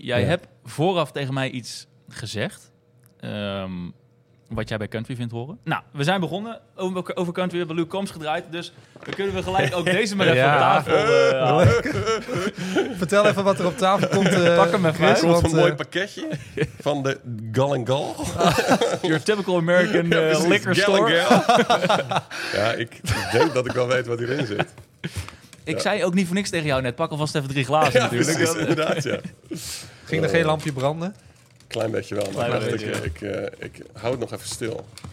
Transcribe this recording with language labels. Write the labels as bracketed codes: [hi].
[nl] Jij hebt vooraf tegen mij iets gezegd, wat jij bij country vindt horen. Nou, we zijn begonnen over country, we hebben Luke Combs gedraaid, dus dan kunnen we gelijk ook deze maar even op tafel Vertel even wat er op tafel komt. Pak hem even uit. Er komt een mooi pakketje van de Gull & Gull. [en] Your typical American liquor store. [nl] Gull & Gull. Ja, ik denk dat ik wel weet wat hierin zit. Ik zei ook niet voor niks tegen jou net, pak alvast even 3 glazen natuurlijk. Precies, inderdaad, ja. Ging er geen lampje branden? Klein beetje wel, maar ik hou het nog even stil.